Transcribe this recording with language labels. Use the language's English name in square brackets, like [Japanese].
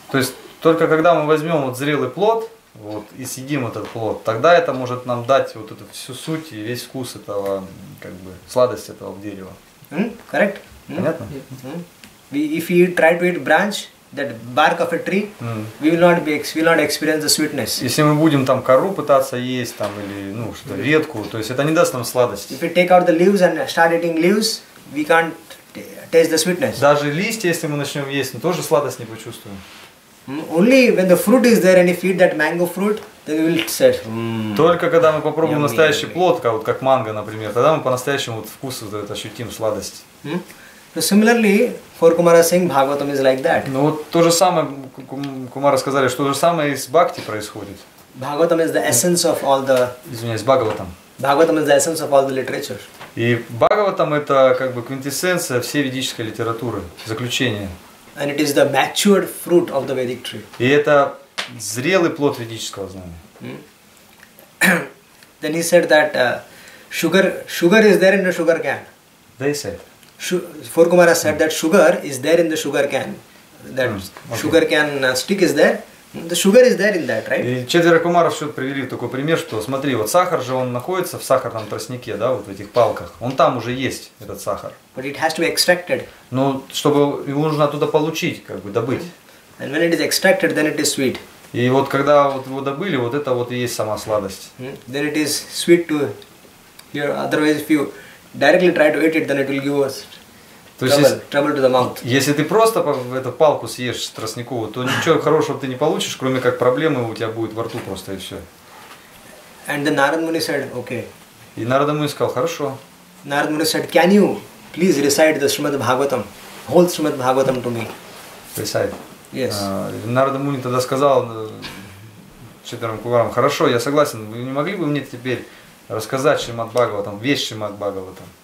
[Russian] То есть только когда мы возьмем вот зрелый плод, вот, и съедим этот плод, тогда это может нам дать вот эту всю суть и весь вкус этого, как бы, сладость этого дерева. [English] Correct. [Russian] Понятно? [English] If you try to eat branch, that bark of a tree, we will not experience the sweetness. [Russian] Если мы будем там кору пытаться есть там или ну что-то ветку, то есть это не даст нам сладости. [English] If we take out the leaves and start eating leaves, we can't taste the sweetness. [Russian] Даже листья, если мы начнем есть, мы тоже сладость не почувствуем. [English] Only when the fruit is there and if you eat that mango fruit, then you will say. [Russian] Только когда мы попробуем настоящий плод, как вот как манго, например, тогда мы по-настоящему вот вкус вот этот ощутим сладость. [English] So similarly, four Kumaras saying Bhagavatam is like that. [Russian] Ну вот то же самое Кумара сказали, что то же самое и с бхакти происходит. [English] Bhagavatam is the essence of all the. [Russian] Извиняюсь, Bhagavatam. [English] Bhagavatam is the essence of all the literature. [Russian] И Bhagavatam это как бы квинтэссенция всей ведической литературы, заключение. [English] And it is the matured fruit of the Vedic tree. [Russian] И это зрелый плод ведического знания. [English] Then he said that sugar is there in the sugar can. They said. Four Kumaras said that sugar is there in the sugar can. Sugar can stick is there. The sugar is there in that, right? [Russian] И четверо кумаров еще привели такой пример, что смотри, вот сахар же он находится в сахарном тростнике, да, вот в этих палках. Он там уже есть, этот сахар. [English] But it has to be extracted. [Russian] Ну, чтобы его нужно оттуда получить, как бы добыть. [English] And when it is extracted, then it is sweet. [Russian] И вот когда вот его добыли, вот это вот и есть сама сладость. [English] Then it is sweet to hear. Otherwise, if you directly try to eat it, then it will give us trouble to the mouth. [Russian] Если ты просто эту палку съешь тростниковую, то ничего хорошего ты не получишь, кроме как проблемы у тебя будет во рту просто и все. [English] And the Narada Muni said, okay. [Russian] И Нарада Муни сказал, хорошо. [English] Narada Muni said, can you please recite the Shrimad Bhagavatam, whole Shrimad Bhagavatam to me? Recite. Yes. [Russian] Нарада Муни тогда сказал четырем куварам, хорошо, я согласен, вы не могли бы мне теперь рассказать Шримад Бхагаватам, весь Шримад Бхагаватам.